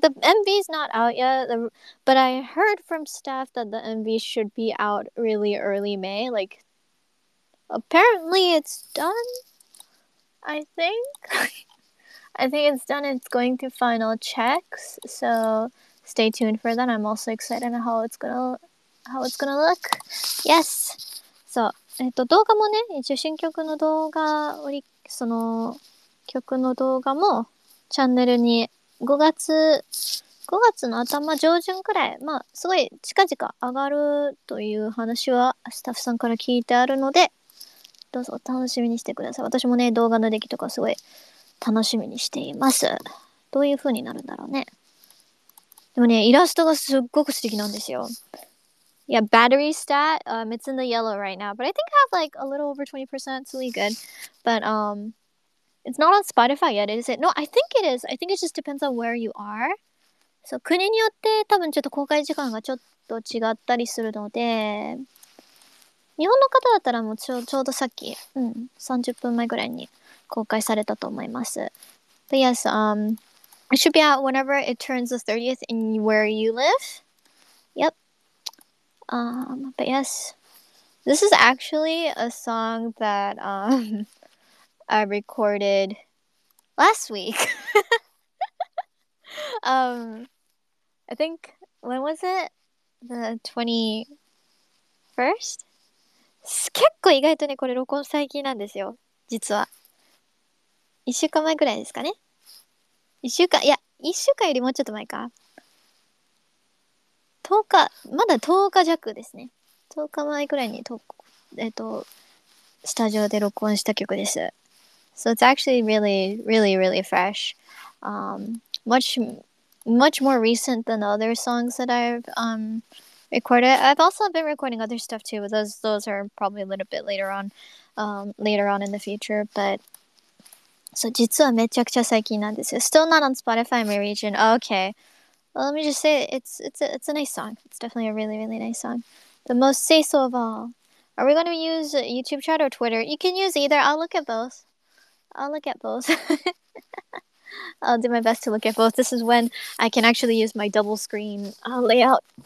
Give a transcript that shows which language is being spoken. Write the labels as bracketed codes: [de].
[en] The MV's not out yet, but I heard from staff that the MV should be out really early May. Like, apparently it's done, I think. I think it's done. It's going through final checks, so... Stay tuned for that. I'm also excited on how it's gonna look. Yes! [ja] So, 動画もね、一応新曲の動画、その曲の動画もチャンネルに5月の頭上旬くらい、まあ、すごい近々上がるという話はスタッフさんから聞いてあるので、どうぞ楽しみにしてください。私もね、動画の出来とかすごい楽しみにしています。どういう風になるんだろうね。でもね、イラストがすっごく素敵なんですよ。 [en] Yeah, battery stat, it's in the yellow right now, but I think I have like a little over 20%, it's really good. But, it's not on Spotify yet, is it? No, I think it is. I think it just depends on where you are. [ja] So, 国によって多分ちょっと公開時間がちょっと違ったりするので、日本の方だったらもうちょうどさっき、30分前ぐらいに公開されたと思います。 [en] But yes, It should be out whenever it turns the 30th in where you live. Yep. But yes. This is actually a song that I recorded last week. I think, when was it? The 21st? [ja] 結構意外とね、これ録音最近なんですよ。実は。一週間前ぐらいですかね。 1週間よりもうちょっと前か。 10日、まだ10日弱ですね。10日前くらいに、スタジオで録音した曲です。 [en] So it's actually really, really, really fresh. Much, much more recent than the other songs that I've, recorded. I've also been recording other stuff too, but those are probably a little bit later on in the future, but... [ja] So, 実はめちゃくちゃ最近なんですよ。 [en] Still not on Spotify, my region. Okay. Well, let me just say, it's a nice song. It's definitely a really, really nice song. The most say-so of all. Are we going to use YouTube chat or Twitter? You can use either. I'll look at both. I'll do my best to look at both. This is when I can actually use my double screen layout.